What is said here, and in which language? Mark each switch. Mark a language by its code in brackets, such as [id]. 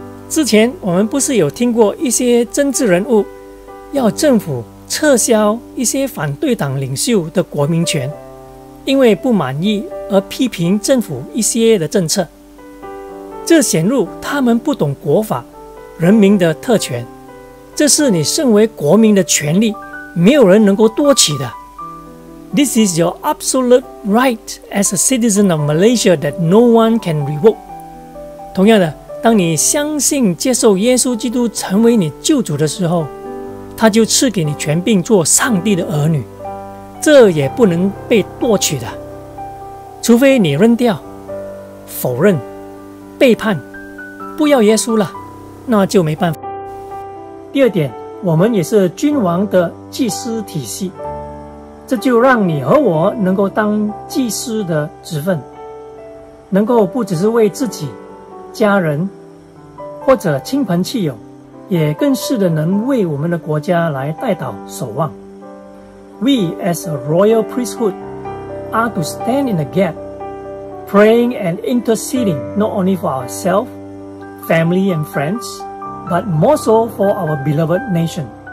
[zh] 之前我们不是有听过一些政治人物要政府撤销一些反对党领袖的国民权，因为不满意而批评政府一些的政策，这显露他们不懂国法，人民的特权，这是你身为国民的权利，没有人能够夺取的。 [en] This is your absolute right as a citizen of Malaysia that no one can revoke. [zh] 同样的，当你相信接受耶稣基督成为你救主的时候，他就赐给你权柄做上帝的儿女，这也不能被夺取的，除非你扔掉、否认、背叛，不要耶稣了，那就没办法。第二点，我们也是君王的祭司体系，这就让你和我能够当祭司的职分，能够不只是为自己、家人或者亲朋戚友，也更是的能为我们的国家来代祷守望。 [en] We as a royal priesthood are to stand in the gap, praying and interceding not only for ourselves, family and friendsBut more so for our beloved nation.